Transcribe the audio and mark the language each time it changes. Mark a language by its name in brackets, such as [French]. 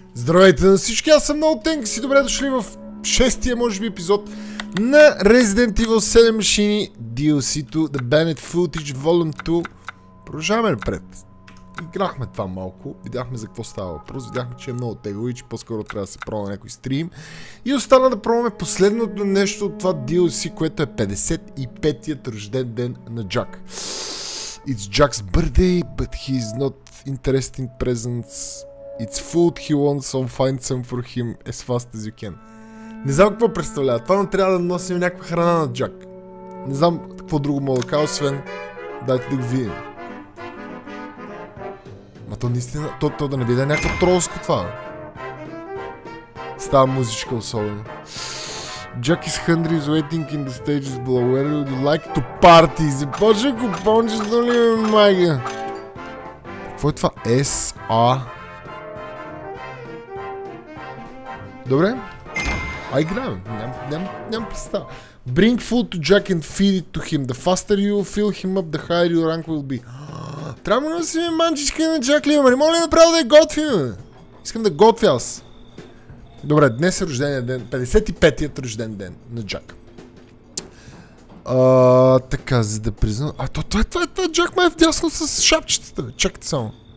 [Bulgarian] Здравейте на всички, аз съм Наутенк и си добре дошли в шестия, може би, епизод на Resident Evil 7 Machine DLC-то, The Banned Footage Volume 2. Продължаваме напред. Играхме това малко, видяхме за какво става въпрос, видяхме, че е много тегло и че по-скоро трябва да се пробва някой стрим. И остана да пробваме последното нещо от това DLC, което е 55-ият рожден ден на Джак. [English] It's Jack's birthday, but he's not interested in presents. It's food he wants, so find some for him as fast as you can. [Bulgarian] Не знам какво представлява, това не трябва да носим някаква храна на Джак. Не знам какво друго мога да кажа, освен дайте да го видим. Ма то наистина, то да не биде някакво тролско това. Става музичка особено. [English] Jack is hungry, is waiting in the stages below. Where would you like to party? [Bulgarian] Започва купончето ли ме майка? Какво е това? S-A? Добре. Ай, играем. Нямам представа. [English] Bring food to Jack and feed it to him. The faster you fill him up, the higher your rank will be. [Bulgarian] Трябва да носим манчичка на Джак ли, ама не мога ли направо да я готвим? Искам да готвя аз. Добре, днес е рождения ден, 55-ият рожден ден на Джак. Така, за да признам... А, това е Джак май вдясно с шапчетата, бе. Чакайте само.